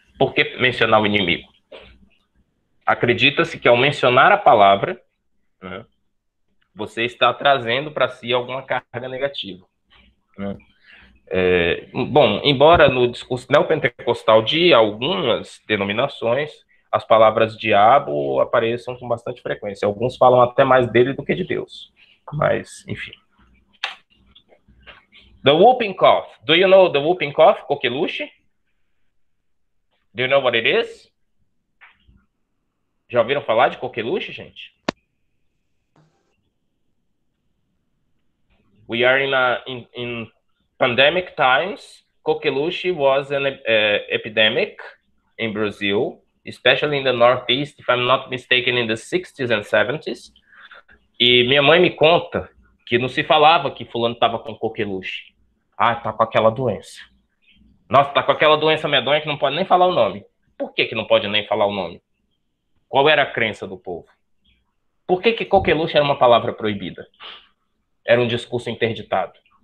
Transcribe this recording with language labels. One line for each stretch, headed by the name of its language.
Portuguese: Por que mencionar o inimigo? Acredita-se que ao mencionar a palavra, né, você está trazendo para si alguma carga negativa. Né? Bom, embora no discurso neopentecostal de algumas denominações, as palavras diabo apareçam com bastante frequência. Alguns falam até mais dele do que de Deus. Mas, enfim.
English: The whooping cough. Do you know the whooping cough, Coqueluche? Do you know what it is?
Portuguese: Já ouviram falar de Coqueluche, gente?
English: We are in pandemic times. Coqueluche was an epidemic in Brazil, especially in the Northeast, if I'm not mistaken, in the 60s and 70s.
Portuguese: E minha mãe me conta que não se falava que fulano estava com coqueluche. Ah, tá com aquela doença. Nossa, tá com aquela doença medonha que não pode nem falar o nome. Por que que não pode nem falar o nome? Qual era a crença do povo? Por que que coqueluche era uma palavra proibida? Era um discurso interditado.